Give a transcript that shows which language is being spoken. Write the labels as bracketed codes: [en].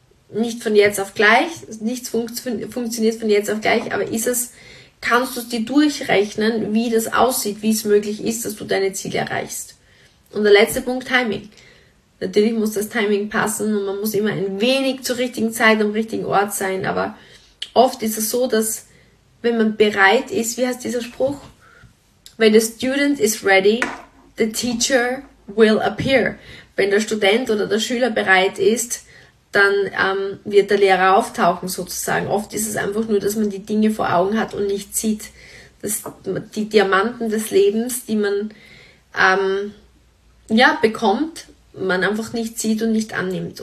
[de] Nicht von jetzt auf gleich, nichts funktioniert von jetzt auf gleich, aber kannst du es dir durchrechnen, wie das aussieht, wie es möglich ist, dass du deine Ziele erreichst? Und der letzte Punkt, Timing. Natürlich muss das Timing passen und man muss immer ein wenig zur richtigen Zeit am richtigen Ort sein, aber oft ist es so, dass wenn man bereit ist, wie heißt dieser Spruch? [en] When the student is ready, the teacher will appear. [de] Wenn der Student oder der Schüler bereit ist, dann wird der Lehrer auftauchen sozusagen. Oft ist es einfach nur, dass man die Dinge vor Augen hat und nicht sieht. Dass die Diamanten des Lebens, die man bekommt, man einfach nicht sieht und nicht annimmt.